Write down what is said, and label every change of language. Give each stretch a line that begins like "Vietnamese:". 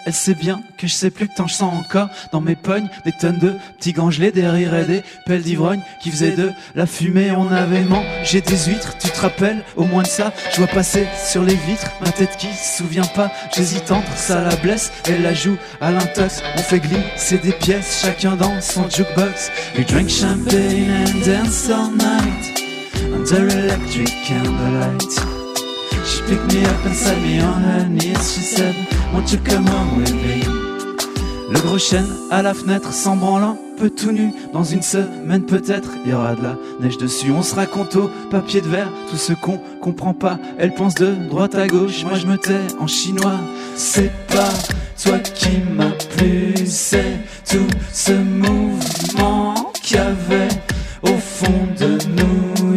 French: Elle sait bien que je sais plus que tant, je sens encore dans mes pognes des tonnes de petits gants gelés, des rires et des pelles d'ivrogne qui faisaient de la fumée. On avait mangé des huîtres, tu te rappelles au moins de ça. Je vois passer sur les vitres ma tête qui se souvient pas. J'hésite entre ça la blesse, elle la joue à l'intox. On fait glisser des pièces, chacun dans son jukebox.
English: We drink champagne and dance all night under electric candlelight. She picked me up and sat me on her knees. She said, won't you come home with me?
French: Le gros chêne à la fenêtre s'en branlant, peu tout nu. Dans une semaine peut-être, il y aura de la neige dessus. On se raconte au papier de verre tout ce qu'on comprend pas. Elle pense de droite à gauche, moi je me tais en chinois. C'est pas toi qui m'as plu, c'est tout ce mouvement qu'il y avait au fond de nous.